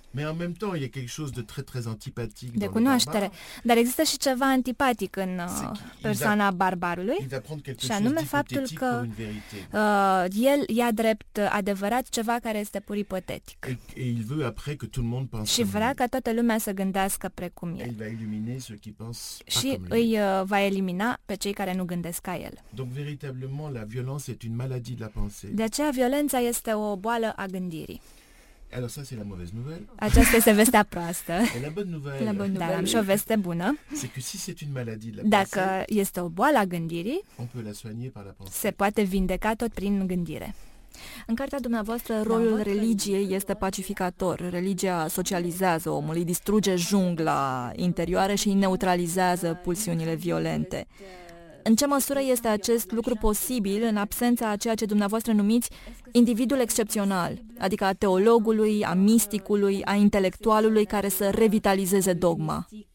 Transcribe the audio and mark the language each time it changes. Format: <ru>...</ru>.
<fr>Mais en même temps, il y a quelque chose de très très antipathique</fr> <ro>de cunoaștere. Dar există și ceva antipatic în persoana barbarului. Și anume faptul că el ia drept adevărat ceva care este pur ipotetic.</ro> <fr>Et il veut après que tout le monde pense.</fr> <ro>Și vrea ca toată lumea să gândească precum el.</ro> <fr>Il va éliminer ceux qui pensent pas comme lui.</fr> <ro>Și îi va elimina pe cei care nu gândesc ca el.</ro> <fr>Donc véritablement la violence est une maladie de la pensée.</fr> <ro>De aceea violența este o boală a gândirii.</ro> <fr>Alors ça c'est la mauvaise nouvelle.</fr> <ro>Aceasta este vestea proastă.</ro> <fr>Et la bonne nouvelle. La bonne nouvelle.</fr> <ro>Dar am și o veste bună.</ro> <fr>C'est que si c'est une maladie de la</fr> <ro>dacă</ro> <fr>pensée,</fr> <ro>este o boală a gândirii,</ro> <fr>on peut la soigner par la pensée.</fr> <ro>Se poate vindeca tot prin gândire. În cartea dumneavoastră, rolul religiei este pacificator. Religia socializează omul, îi distruge jungla interioară și îi neutralizează pulsiunile violente. În ce măsură este acest lucru posibil în absența a ceea ce dumneavoastră numiți individul excepțional, adică a teologului, a misticului, a intelectualului care să revitalizeze dogma?</ro>